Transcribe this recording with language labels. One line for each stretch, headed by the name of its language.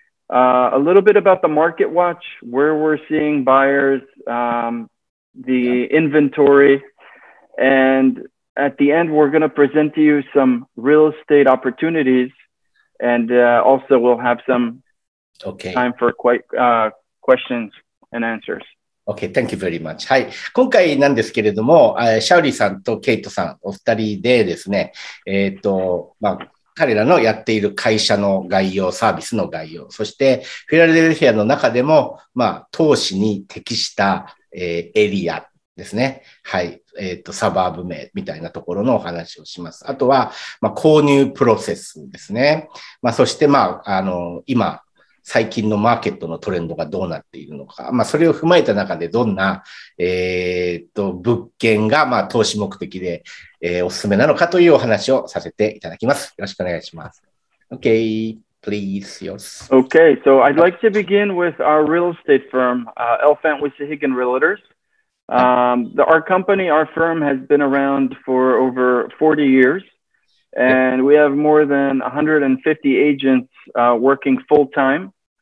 English: A little bit about the market watch, where we're seeing buyers, the inventory. And at the end, we're going to present to you some real estate opportunities. And also, we'll have some time for questions and answers. Okay, thank you very much. はい。
Japanese: 今回なんですけれども、シャウリーさんとケイトさん、お二人でですね、まあ、彼らのやっている会社の概要、サービスの概要、そしてフィラデルフィアの中でも、まあ、投資に適した、エリアですね。はい。サバーブ名みたいなところのお話をします。あとは、まあ、購入プロセスですね。まあ、そして、まあ、今、最近のマーケットのトレンドがどうなっているのか。まあ、それを踏まえた中で、どんな、物件が、まあ、投資目的で、おすすめなのかというお話をさせていただきます。よろしくお願いします。
English: Okay, please, yours. Okay, so I'd like to begin with our real estate firm, Elfant Wissahickon Realtors. Our company, our firm has been around for over 40 years, and we have more than 150 agents working full-time.